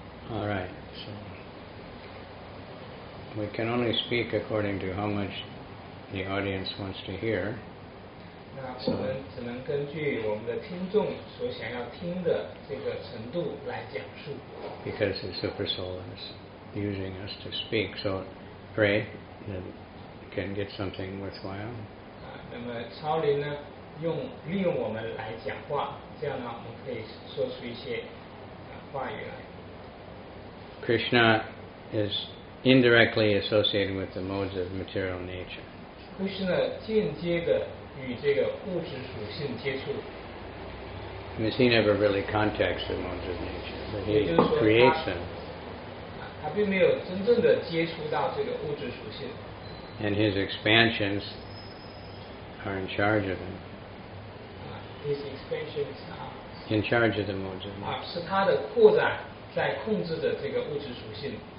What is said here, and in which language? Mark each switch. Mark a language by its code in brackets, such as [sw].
[en] Alright, so we can only speak according to how much the audience wants to hear. [zh] 那我们只能根据我们的听众所想要听的这个程度来讲述。 [en] Because the Super Soul is using us to speak, so pray that we can get something worthwhile. [zh] 那么超灵呢，利用我们来讲话，这样呢，我们可以说出一些话语来。 [en] Krishna is indirectly associated with the modes of material nature. [zh] Krishna 间接的与这个物质属性接触。 [en] Because he never really contacts the modes of nature, but he creates them. [zh] 他并没有真正的接触到这个物质属性。 [en] And his expansions are in charge of them. His expansions are in charge of the modes of nature. [zh] 是他的扩展在控制着这个物质属性。